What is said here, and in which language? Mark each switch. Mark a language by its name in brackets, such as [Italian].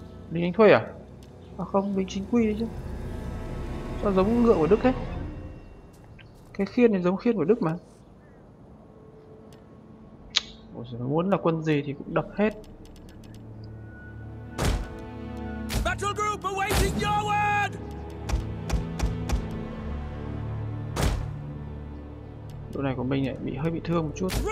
[Vietnamese] Lính đánh thuê à? À không, mình chính quy đấy chứ. Sao giống ngựa của Đức thế? Cái khiên này giống khiên của Đức mà. Ủa giời, muốn là quân gì thì cũng đập hết. [English] Battle group awaiting your word. [Vietnamese] Đội này của mình lại bị hơi bị thương một chút.